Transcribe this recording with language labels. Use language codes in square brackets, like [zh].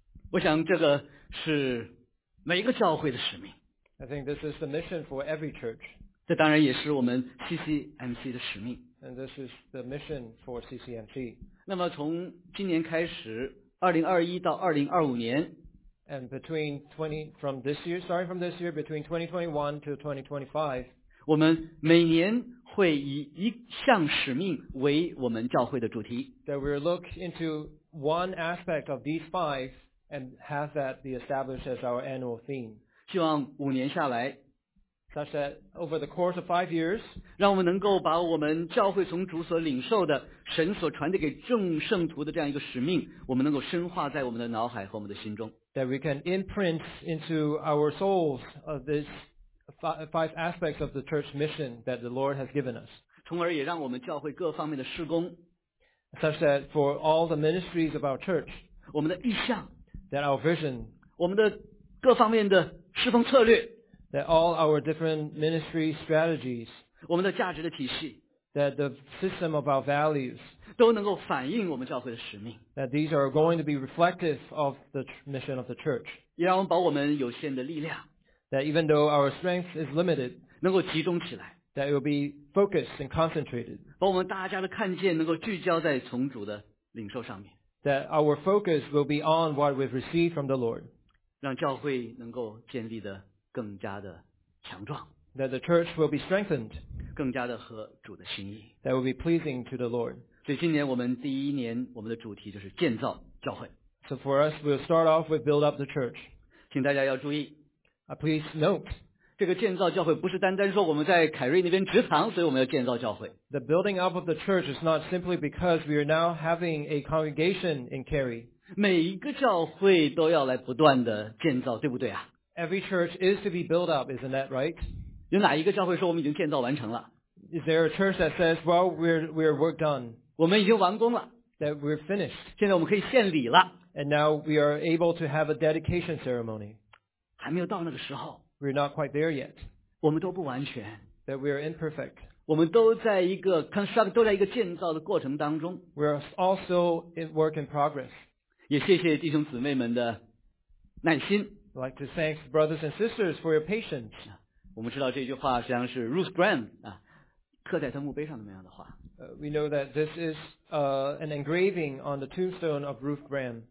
[zh] 我想这个是每一个教会的使命。 [en] I think this is the mission for every church. [zh] 这当然也是我们 CCMC 的使命。 [en] And this is the mission for CCMC. [zh] 那么从今年开始，2021到2025年。 [en] And between 20 from this year, starting from this year, between 2021 to 2025. [zh] 我们每年会以一项使命为我们教会的主题。 [en] That we'll look into one aspect of these five and have that be established as our annual theme. [zh] 希望五年下来 [en] ，such that over the course of 5 years, [zh] 让我们能够把我们教会从主所领受的、神所传递给众圣徒的这样一个使命，我们能够深化在我们的脑海和我们的心中。 [en] That we can imprint into our souls of this. Five aspects of the church mission that the Lord has given us. [zh] 从而也让我们教会各方面的事工 [en] such that for all the ministries of our church, [zh] 我们的意向 [en] that our vision, [zh] 我们的各方面的侍奉策略 [en] that all our different ministry strategies, [zh] 我们的价值的体系 [en] that the system of our values, [zh] 都能够反映我们教会的使命 [en] that these are going to be reflective of the mission of the church. [zh] 也让我们把我们有限的力量 [en] That even though our strength is limited, [zh] 能够集中起来 [en] that it will be focused and concentrated. [zh] 把我们大家的看见能够聚焦在从主的领受上面 [en] that our focus will be on what we've received from the Lord. [zh] 让教会能够建立得更加的强壮 [en] that the church will be strengthened, [zh] 更加的合主的心意 [en] that will be pleasing to the Lord. [zh] 所以今年我们第一年我们的主题就是建造教会 [en] So for us, we'll start off with build up the church. [zh] 请大家要注意 [en] Please note, [zh] 这个建造教会不是单单说我们在凯瑞那边职堂，所以我们要建造教会。 [en] The building up of the church is not simply because we are now having a congregation in Cary. [zh] 每一个教会都要来不断的建造，对不对啊 [en] ？Every church is to be built up, isn't that right? [zh] 有哪一个教会说我们已经建造完成了 [en] ？Is there a church that says, "Well, we're work done"? [zh] 我们已经完工了 [en] ，that we're finished. [zh] 现在我们可以献礼了 [en] ，and now we are able to have a dedication ceremony. [zh] 还没有到那个时候 [en] We're not quite there yet. [zh] 我们都不完全 [en] That we are imperfect. [zh] 我们都在一个 construct 都在一个建造的过程当中 [en] We are also in work in progress. [zh] 也谢谢弟兄姊妹们的耐心 [en] I'd like to thank brothers and sisters for your patience. [zh] 我们知道这句话实际上是 Ruth Graham 刻在他墓碑上的那样的话 [en] We know that this is an engraving on the tombstone of Ruth Graham.